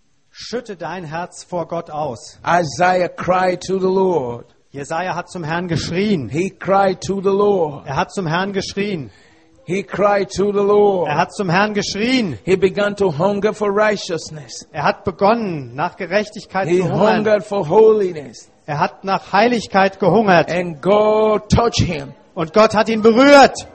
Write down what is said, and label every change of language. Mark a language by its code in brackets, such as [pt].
[de] Schütte dein Herz vor Gott aus. [en] Isaiah cried to the Lord. [de] Jesaja hat zum Herrn geschrien. [en] He cried to the Lord. [de] Er hat zum Herrn geschrien. [en] He cried to the Lord. [de] Er hat zum Herrn geschrien. [en] He began to hunger for righteousness. [de] Er hat begonnen nach Gerechtigkeit [en] He [de] zu hungern. [en] Hungered for holiness. [de] Er hat nach Heiligkeit gehungert. [en] And God touched him. [de] Und Gott hat ihn berührt.